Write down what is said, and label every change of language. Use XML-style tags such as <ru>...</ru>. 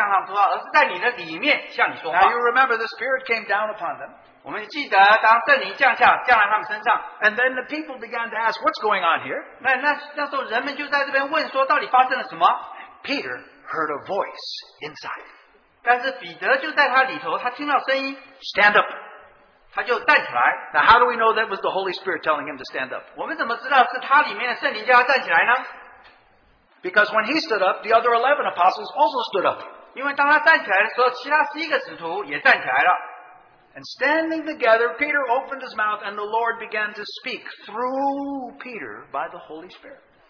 <zh>主就向他们说话了,但是呢,不是像以前在外面,你的外面向他们说话,而是在你的里面向你说话。</zh> <en>Now you remember the Spirit came down upon them.</en> <zh>我们记得当圣灵降下,降在他们身上。</zh> <en>And then the people began to ask, what's going on here?</en> <zh>那时候人们就在这边问说,到底发生了什么?</zh> <en>Peter heard a voice inside.</en> <zh>但是彼得就在他里头,他听到声音,</zh> <en>stand up.</en> <zh>他就站起来,</zh> <en>now how do we know that was the Holy Spirit telling him to stand up?</en> <zh>我们怎么知道是他里面的圣灵叫他站起来呢?</zh> <en>Because when he stood up, the other 11 apostles also stood up.</en> <zh>因为当他站起来的时候,其他11个使徒也站起来了。</zh> <en>And standing together, Peter opened his mouth and the Lord began to speak through Peter by the Holy Spirit.</en>